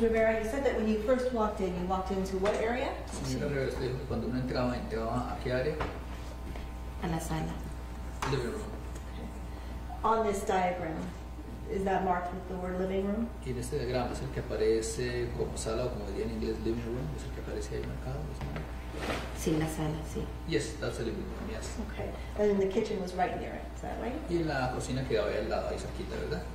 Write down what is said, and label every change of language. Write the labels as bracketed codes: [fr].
[en] Rivera, you said that when you first walked in, you walked into what area? [es] Señora Rivera, usted dijo que cuando uno entraba, ¿entraba a qué área? A la sala. [en] Living room. On this diagram, is that marked with the word living room? [es] Y en este diagrama es el que aparece como sala o como diría en inglés living room, es el que aparece ahí marcado. ¿Es mal? Sí, la sala, sí. [en] Yes, that's the living room, yes. Okay, and then the kitchen was right near it, is that right? [es] Y la cocina quedaba ahí al lado, ahí cerquita, ¿verdad?